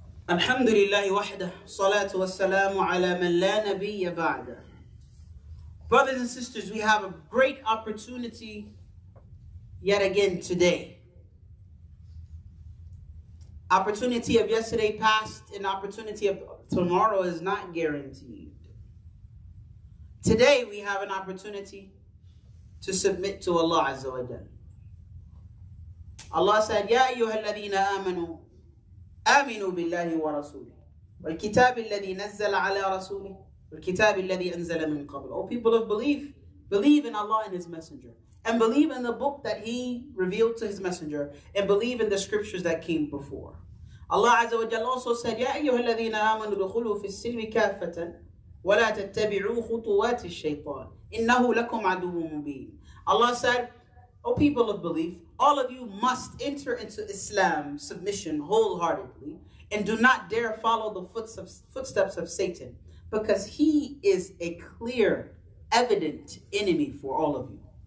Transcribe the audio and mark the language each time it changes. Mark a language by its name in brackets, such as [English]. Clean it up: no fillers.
[Arabic] الحمد لله وحده صلاة والسلام على من لا نبي بعده. [English] Brothers and sisters, we have a great opportunity yet again today. Opportunity of yesterday passed, and opportunity of tomorrow is not guaranteed. Today we have an opportunity to submit to Allah Azza wa Jalla. [Arabic] Allah said, يَا أَيُّهَا الَّذِينَ آمَنُوا آمنوا بالله ورسوله والكتاب الذي نزل على رسوله والكتاب الذي أنزل من قبل. [English] O people of belief, believe in Allah and His Messenger, and believe in the book that He revealed to His Messenger, and believe in the scriptures that came before. [Arabic] Allah Azza wa Jalla [English] also said, [Arabic] يَا أَيُّهَا الَّذِينَ آمَنُوا ادْخُلُوا فِي السِّلْمِ كَافَةً وَلَا تَتَّبِعُوا خُطُوَاتِ الشَّيْطَانِ إِنَّهُ لَكُمْ عَدُوٌّ مُبِينٌ. [English] Allah said, O people of belief, all of you must enter into Islam submission wholeheartedly, and do not dare follow the footsteps of Satan, because he is a clear, evident enemy for all of you.